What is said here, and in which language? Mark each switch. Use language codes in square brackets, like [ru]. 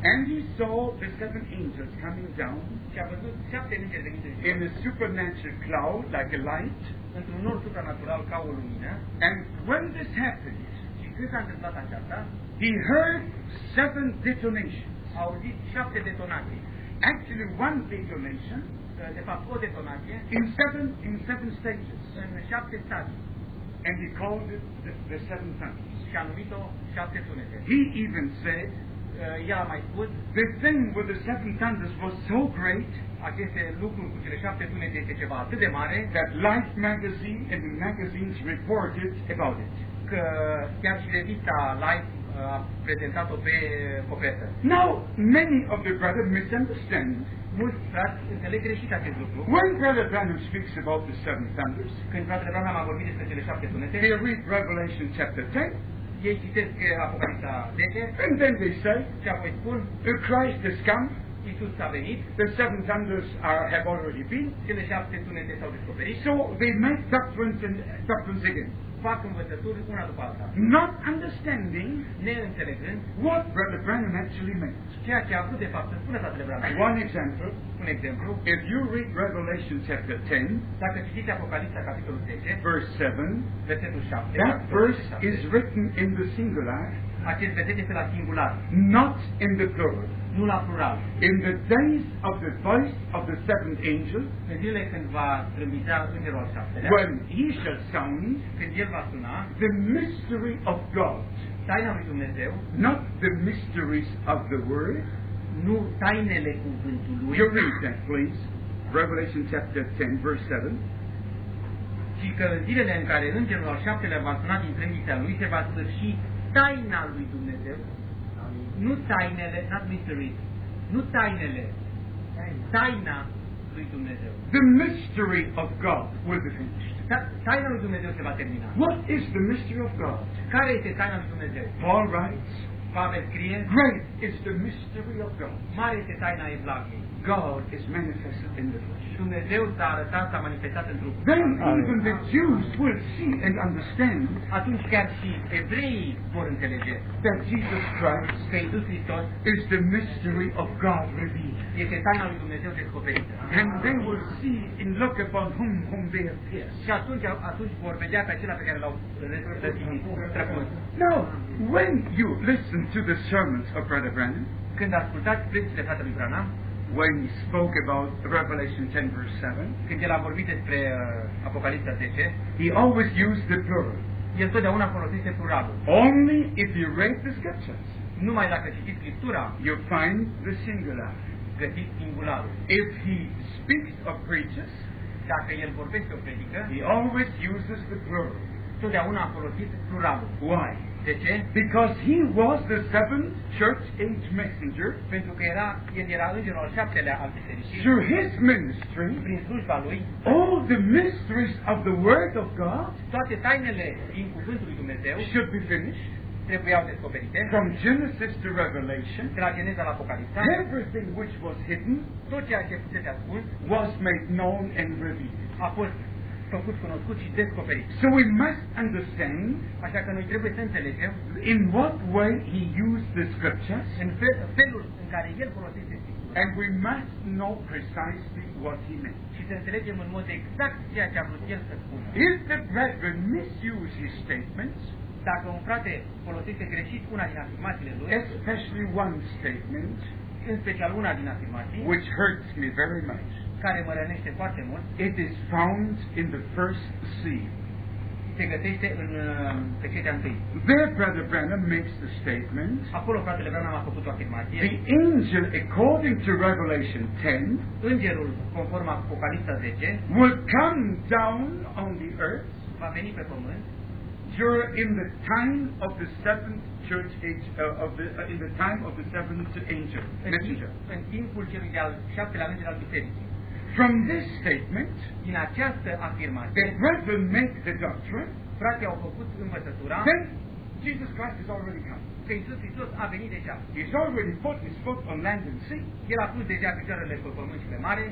[en] And he saw the seven angels coming down, [ro] și a văzut șapte îngeri venind în jos, [en] in a supernatural cloud, like a light, [ro] într-un nor supranatural ca o lumină. [en] And when this happened, [ro] și când s-a întâmplat aceasta, [en] he heard seven detonations. [ro] A auzit șapte detonații. [en] Actually, one detonation, [ro] de fapt, o detonație, [en] in seven stages, [ro] în șapte stadii. [en] And he called it the seven thunders. [ro] Și a numit-o șapte sunete. [en] He even said, [ro] ea a mai spus, [en] the thing with the seven thunders was so great, [ro] aceste lucruri cu cele șapte sunete este ceva atât de mare, [en] that Life magazine and magazines reported about it. [ro] Că chiar și revista Life a prezentat-o pe copertă. [en] Now, many of the brothers misunderstand. [ro] Mulți frați înțeleg greșit acest lucru. [en] When Brother Branham speaks about the seven thunders, [ro] când fratele Branham a vorbit despre cele șapte sunete, [en] they read Revelation chapter 10, [ro] ei citesc Apocalipsa 10, [en] and then they say, [ro] și apoi spun, [en] the Christ has come, [ro] Iisus a venit, [en] the seven thunders have already been, [ro] cele șapte sunete s-au descoperit. [en] So they make doctrines again. [ro] Fac învățături una după alta. [en] Not understanding, [ro] neînțelegând, [en] what Brother Branham actually meant. [ro] Ceea ce a avut de fapt să spună fratele Branham. [en] One example, [ro] un exemplu. [en] If you read Revelation chapter 10, [ro] dacă citiți Apocalipsa capitolul 10, [en] verse 7, [ro] versetul 7, [en] that verse is written in the singular. [ro] acest verset este la singular. [en] Not in the plural. [ro] Nu la plural. [en] In the days of the voice of the seventh angel, [ro] pe zile când va trâmbița îngerul al șaptelea, [en] when he shall sound, [ro] când el va suna, [en] the mystery of God, [ro] taina lui Dumnezeu, [en] not the mysteries of the word, [ro] nu tainele cuvântului. [en] You read that, please. Revelation chapter 10, verse 7. [ro] Și că zilele în care îngerul al șaptelea va suna din trâmbița lui, se va sfârși taina lui Dumnezeu. Nu tainele, [en] not mysteries. [ro] Nu tainele. Taina lui Dumnezeu. [en] The mystery of God will be finished. [ro] Taina lui Dumnezeu se va termina. [en] What is the mystery of God? [ro] Care este taina lui Dumnezeu? [en] Paul writes. [ro] Pavel scrie. [en] Great is the mystery of God. [ro] Mare este taina evlaviei. [en] God is manifested in the flesh. [ro] Dumnezeu s-a arătat, s-a manifestat în trup. [en] Then even the Jews will see and understand. [ro] Atunci chiar și evreii vor înțelege. [en] That Jesus Christ, [ro] că Iisus Hristos, [en] is the mystery of God revealed. [ro] Este taina lui Dumnezeu descoperită. [en] And they will see and look upon whom they have pierced. [ro] Și atunci vor vedea pe acela pe care l-au răsplătit. [en] Now, when you listen to the sermons of Brother Branham, [ro] când ascultați predicile fratelui Branham, [en] when he spoke about Revelation 10 verse 7, [ro] când el a vorbit despre Apocalipsa 10, [en] he always used the plural. [ro] El totdeauna folosise pluralul. [en] Only if you read the scriptures, [ro] numai dacă citiți scriptura, [en] you find the singular. [ro] Găsiți singularul. [en] If he speaks of preachers, [ro] dacă el vorbește o predică, [en] he always uses the plural. [ro] Totdeauna a folosit pluralul. [en] Why? [ro] De ce? [en] Because he was the seventh church age messenger. [ro] Pentru că era, el era îngerul al șaptelea al bisericii. [en] Through his ministry, [ro] prin slujba lui, [en] all the mysteries of the word of God, [ro] toate tainele din cuvântul lui Dumnezeu, [en] should be finished, [ro] trebuiau descoperite. [en] From Genesis to Revelation, [ro] de la Geneza la Apocalipsa, [en] everything which was hidden, [ro] tot ceea ce fusese ascuns, [en] was made known and revealed. [ro] A fost făcut cunoscut și descoperit. [en] So we must understand, [ro] așa că noi trebuie să înțelegem, [en] in what way he used the scriptures, [ro] în felul în care el folosește scriptura, [en] and we must know precisely what he meant. [ro] Și să înțelegem în mod exact ceea ce a vrut el să spună. [en] If the brethren misuse his statements, [ro] dacă un frate folosește greșit una din afirmațiile lui, [en] especially one statement, [ro] în special una din afirmații, [en] which hurts me very much, [ro] care mă rănește foarte mult, [en] it is found in the first seal. [ro] Se găsește în pecetea întâi. [en] There Brother Branham makes the statement. [ro] Acolo fratele Branham a făcut o afirmație. [en] The angel, according to Revelation 10, [ro] îngerul conform Apocalipsa 10, [en] will come down on the earth, [ro] va veni pe pământ, [en] during in the time of the seventh church age, in the time of the seventh angel messenger. [ro] În timpul celui de-al șaptelea înger al bisericii. [en] From this statement, [ro] din această afirmație, [en] the brethren make the doctrine, [ro] frații au făcut învățătura, [en] then Jesus Christ has already come. [ro] Că Iisus Hristos a venit deja. [en] He's already put his foot on land and sea. [ro] El a pus deja picioarele pe pământ și pe mare.